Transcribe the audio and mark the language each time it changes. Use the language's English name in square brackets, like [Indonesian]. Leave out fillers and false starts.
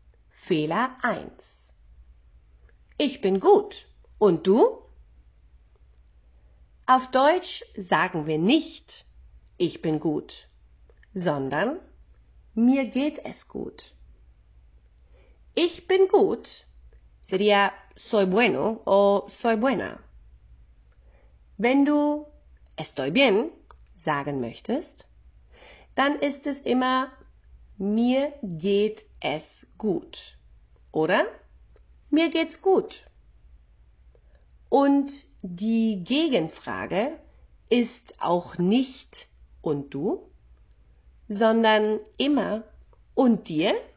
[German] Fehler 1. Ich bin gut. Und du? Auf Deutsch sagen wir nicht, ich bin gut, sondern mir geht es gut. Ich bin gut [Spanish] sería soy bueno o soy buena. [German] Wenn du [Spanish] estoy bien [German] sagen möchtest, dann ist es immer mir geht es gut. Oder mir geht's gut. Und die Gegenfrage ist auch nicht und du, sondern immer und dir.